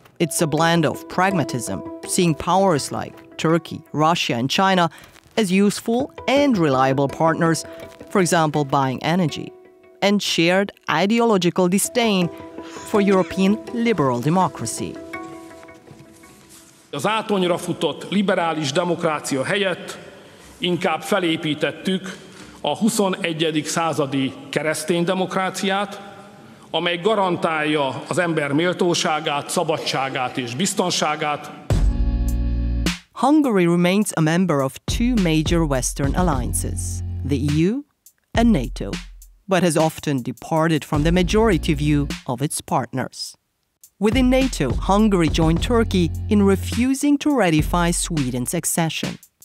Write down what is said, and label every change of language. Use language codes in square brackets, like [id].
[en] It's a blend of pragmatism, seeing powers like Turkey, Russia, and China as useful and reliable partners, for example, buying energy, and shared ideological disdain for European liberal democracy. [hu] Az átonyra futott liberális demokrácia helyett inkább felépítettük a 21. századi keresztény demokráciát, amely garantálja az ember méltóságát, szabadságát és biztonságát. [en] Hungary remains a member of two major Western alliances, the EU and NATO, but has often departed from the majority view of its partners. Within NATO, Hungary joined Turkey in refusing to ratify Sweden's accession.